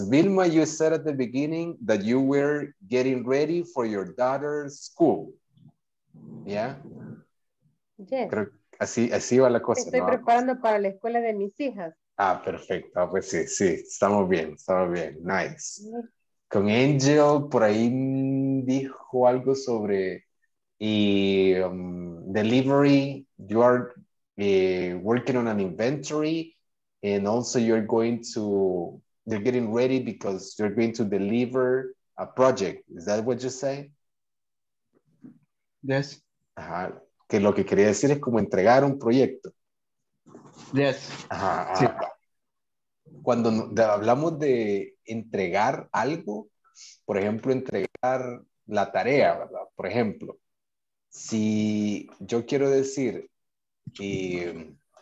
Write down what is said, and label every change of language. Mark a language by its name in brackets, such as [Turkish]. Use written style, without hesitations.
[English] Vilma, you said at the beginning that you were getting ready for your daughter's school. Yeah? Yes. Creo [Spanish] que así va la cosa. Estoy preparando para la escuela de mis hijas. Ah, perfecto. Ah, pues sí, estamos bien. Nice. Con Angel, por ahí dijo algo sobre delivery. [English] You are working on an inventory and also you're getting ready because you're going to deliver a project. Is that what you say? Yes. Ajá. [Spanish] Que lo que quería decir es como entregar un proyecto. [English] Yes. [Spanish] Ajá. Sí. Cuando hablamos de entregar algo, por ejemplo, entregar la tarea, ¿verdad? Por ejemplo, si yo quiero decir que